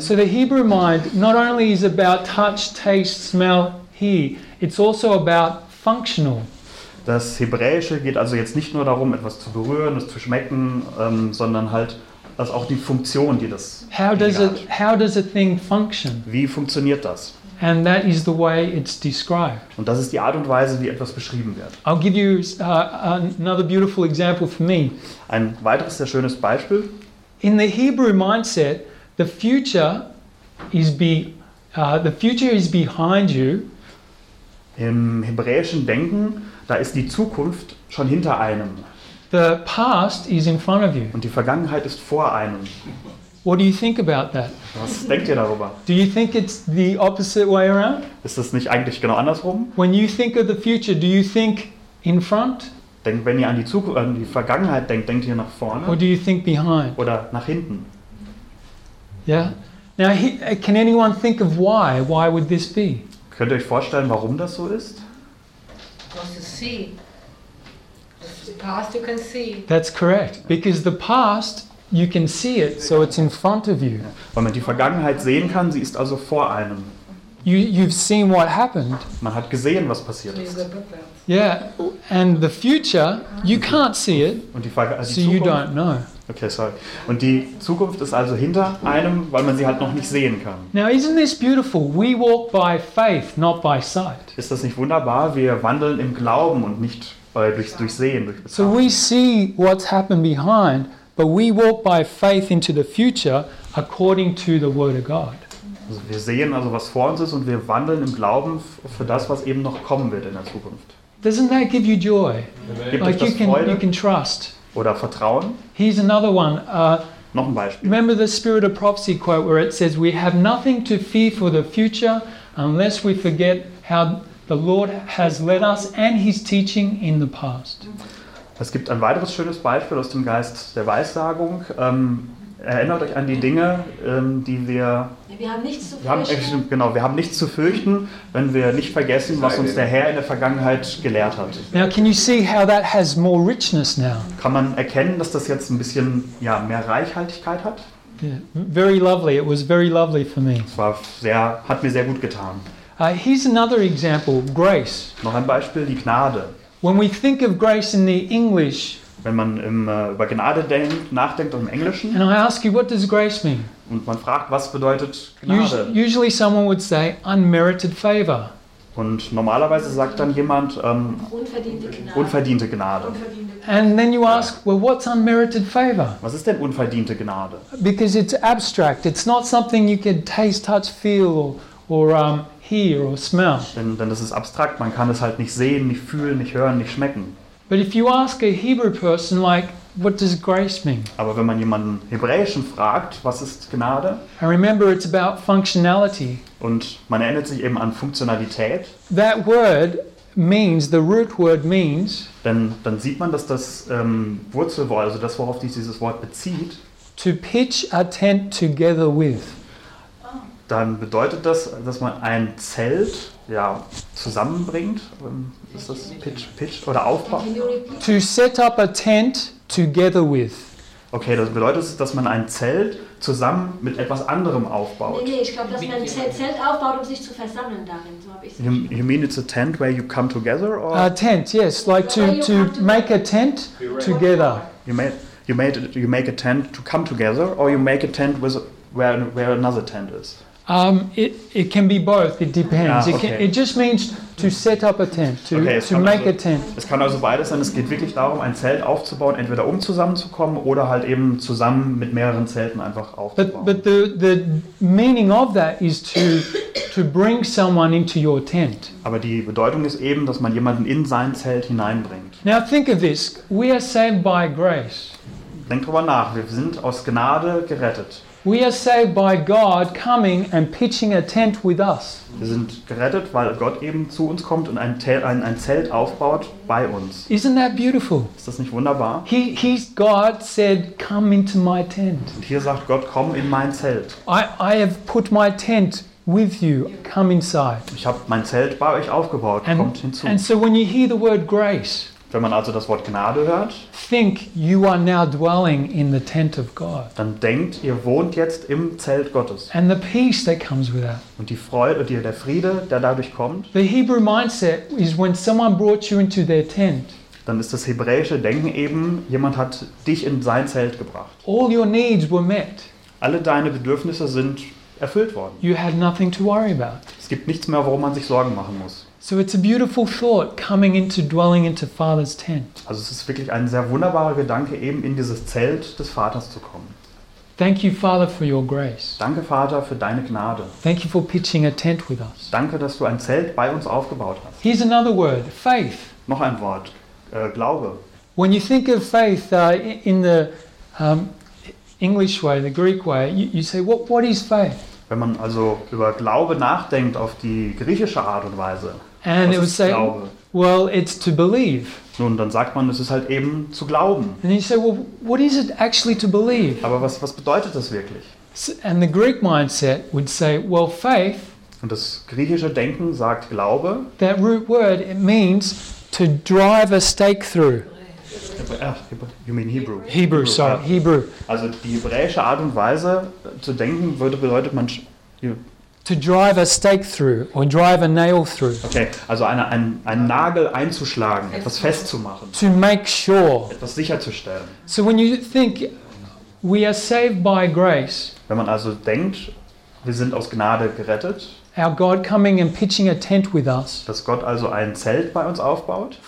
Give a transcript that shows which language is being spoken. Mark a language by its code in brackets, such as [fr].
[en] So the Hebrew mind not only is about touch, taste, smell, hear, it's also about functional. [de] Das Hebräische geht also jetzt nicht nur darum, etwas zu berühren, es zu schmecken, sondern halt das auch die Funktion, die das hat. Wie funktioniert das? [en] And that is the way it's described. [de] Und das ist die Art und Weise, wie etwas beschrieben wird. [en] I'll give you another beautiful example for me. [de] Ein weiteres sehr schönes Beispiel. [en] In the Hebrew mindset, the future is behind you. [de] Im hebräischen Denken, da ist die Zukunft schon hinter einem. [en] The past is in front of you. [de] Und die Vergangenheit ist vor einem. [en] What do you think about that? [de] Was denkt ihr darüber? [en] Do you think it's the opposite way around? [de] Ist das nicht eigentlich genau andersrum? [en] When you think of the future, do you think in front? [de] Denkt, wenn ihr an die Zukunft, an die Vergangenheit denkt, denkt ihr nach vorne? [en] Or do you think behind? [de] Oder nach hinten? [en] Yeah. Now, can anyone think of why? Why would this be? [de] Könnt ihr euch vorstellen, warum das so ist? [en] Because you see. The past you can see. That's correct. Because the past, you can see it, so it's in front of you. [de] Weil man die Vergangenheit sehen kann, sie ist also vor einem. [en] You've seen what happened. [de] Man hat gesehen, was passiert ist. [en] Yeah, and the future, you can't see it, [de] und die [en] so you don't know. Okay, sorry. [de] Und die Zukunft ist also hinter einem, weil man sie halt noch nicht sehen kann. [en] Now, isn't this beautiful? We walk by faith, not by sight. [de] Ist das nicht wunderbar? Wir wandeln im Glauben und nicht durch Sehen. [en] So we see what's happened behind, but we walk by faith into the future according to the Word of God. [de] Also wir sehen also, was vor uns ist und wir wandeln im Glauben für das, was eben noch kommen wird in der Zukunft. [en] Doesn't that give you joy? [de] Gibt euch das Freude? [en] You can trust. [de] Oder Vertrauen? [en] Here's another one. [de] Noch ein Beispiel. [en] Remember the Spirit of Prophecy quote where it says, we have nothing to fear for the future unless we forget how the Lord has led us and his teaching in the past. [de] Es gibt ein weiteres schönes Beispiel aus dem Geist der Weissagung. Erinnert euch an die Dinge, die wir... Wir haben nichts zu fürchten, wenn wir nicht vergessen, was uns der Herr in der Vergangenheit gelehrt hat. [en] Now, can you see how that has more richness now? [de] Kann man erkennen, dass das jetzt ein bisschen ja, mehr Reichhaltigkeit hat? [en] Yeah. Very lovely. It was very lovely for me. [de] Es war sehr, hat mir sehr gut getan. [en] Here's another example, grace. [de] Noch ein Beispiel, die Gnade. [en] When we think of grace in the English, [de] wenn man über Gnade nachdenkt und im Englischen, [en] and I ask you, what does grace mean? [de] Und man fragt, was bedeutet Gnade? [en] Usually someone would say unmerited favor. [de] Und normalerweise sagt dann jemand unverdiente Gnade. [en] And then you ask, well, what's unmerited favor? [de] Was ist denn unverdiente Gnade? [en] Because it's abstract. It's not something you can taste, touch, feel or hear or smell. [de] Denn das ist abstrakt. Man kann es halt nicht sehen, nicht fühlen, nicht hören, nicht schmecken. [en] But if you ask a Hebrew person, like, what does grace mean? [de] Aber wenn man jemanden Hebräischen fragt, was ist Gnade? [en] And remember, it's about functionality. [de] Und man erinnert sich eben an Funktionalität. [en] That word means, the root word means, [de] dann sieht man, dass das Wurzelwort, also das, worauf sich dieses Wort bezieht, [en] to pitch a tent together with. [de] Dann bedeutet das, dass man ein Zelt zusammenbringt. Ist das pitch oder aufbauen? [en] To set up a tent together with. [de] Okay, das bedeutet, dass man ein Zelt zusammen mit etwas anderem aufbaut. Nee, ich glaube, dass man ein Zelt aufbaut, um sich zu versammeln darin. So habe ich es. [en] You mean it's a tent where you come together? Or? A tent, yes. Like to make a tent together. You make a tent to come together, or you make a tent with where another tent is? It can be both. It depends. Okay. It just means to set up a tent, to make a tent. [de] Es kann also beides sein. Es geht wirklich darum, ein Zelt aufzubauen, entweder um zusammenzukommen oder halt eben zusammen mit mehreren Zelten einfach aufzubauen. [en] But the meaning of that is to bring someone into your tent. [de] Aber die Bedeutung ist eben, dass man jemanden in sein Zelt hineinbringt. [en] Now think of this. We are saved by grace. [de] Denk drüber nach. Wir sind aus Gnade gerettet. [en] We are saved by God coming and pitching a tent with us. [de] Wir sind gerettet, weil Gott eben zu uns kommt und ein Zelt aufbaut bei uns. [en] Isn't that beautiful? [de] Ist das nicht wunderbar? [en] He's God said, come into my tent. [de] Und hier sagt Gott, komm in mein Zelt. [en] I have put my tent with you. Come inside. [de] Ich habe mein Zelt bei euch aufgebaut. [en] And, [de] kommt hinzu. [en] And so when you hear the word grace, [de] wenn man also das Wort Gnade hört, [en] think you are now dwelling in the tent of God. [de] Dann denkt, ihr wohnt jetzt im Zelt Gottes. [en] And the peace that comes with that. [de] Und die Freude und der Friede, der dadurch kommt. [en] The Hebrew mindset is when someone brought you into their tent. [de] Dann ist das hebräische Denken eben, jemand hat dich in sein Zelt gebracht. [en] All your needs were met. [de] Alle deine Bedürfnisse sind erfüllt worden. [en] You had nothing to worry about. [de] Es gibt nichts mehr, worum man sich Sorgen machen muss. [en] So it's a beautiful thought coming into dwelling into Father's tent. [de] Also es ist wirklich ein sehr wunderbarer Gedanke, eben in dieses Zelt des Vaters zu kommen. [en] Thank you, Father, for your grace. [de] Danke, Vater, für deine Gnade. [en] Thank you for pitching a tent with us. [de] Danke, dass du ein Zelt bei uns aufgebaut hast. [en] Here's another word, faith. [de] Noch ein Wort, Glaube. [en] When you think of faith in the English way, the Greek way, you say, what is faith? [de] Wenn man also über Glaube nachdenkt auf die griechische Art und Weise, [en] and [de] was [en] it [de] ist Glaube? [en] Well, it's to believe. [de] Nun, dann sagt man, es ist halt eben zu glauben. [en] And you say, well, what is it actually to believe? [de] Aber was bedeutet das wirklich? [en] And the Greek mindset would say, well, faith. [de] Und das griechische Denken sagt Glaube. [en] That root word, it means to drive a stake through. You mean Hebrew? Hebrew. [de] Also die hebräische Art und Weise zu denken würde bedeutet man [en] to drive a stake through or drive a nail through. [de] Okay, also einen Nagel einzuschlagen, etwas festzumachen. [en] To make sure. [de] Etwas sicherzustellen. [en] So when you think we are saved by grace. [de] Wenn man also denkt, wir sind aus Gnade gerettet. [en] Our God coming and pitching a tent with us. [de] Dass Gott also ein Zelt bei uns aufbaut.